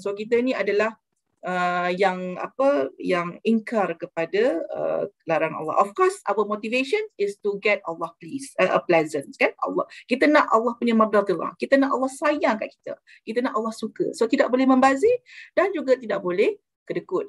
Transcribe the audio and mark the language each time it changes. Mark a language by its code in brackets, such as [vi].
[ms] So kita ni adalah yang ingkar kepada larangan Allah. [en] Of course, our motivation is to get Allah pleasant, kan? [ms] Allah, kita nak Allah punya mardhatullah. Kita nak Allah sayang kat kita. Kita nak Allah suka. So tidak boleh membazir dan juga tidak boleh kedekut.